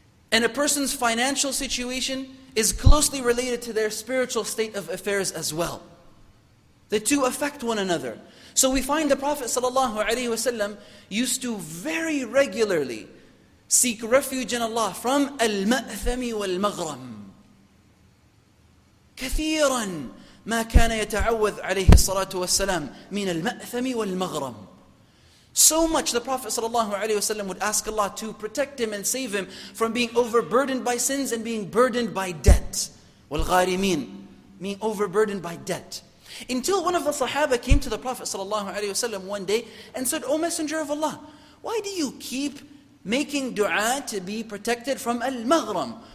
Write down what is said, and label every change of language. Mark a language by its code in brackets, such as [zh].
[en] And a person's financial situation is closely related to their spiritual state of affairs as well. The two affect one another. So we find the Prophet sallallahu alaihi wasallam used to very regularly seek refuge in Allah from al-ma'thami wal-maghram. [ar] كثيراً ما كان يتعوذ عليه الصلاة والسلام من المأثم والمغرم. [en] So much the Prophet sallallahu alaihi wasallam would ask Allah to protect him and save him from being overburdened by sins and being burdened by debt. [ar] والغارمين, [en] being overburdened by debt. Until one of the Sahaba came to the Prophet sallallahu alaihi wasallam one day and said, "O Messenger of Allah, why do you keep making du'a to be protected from al-maghram?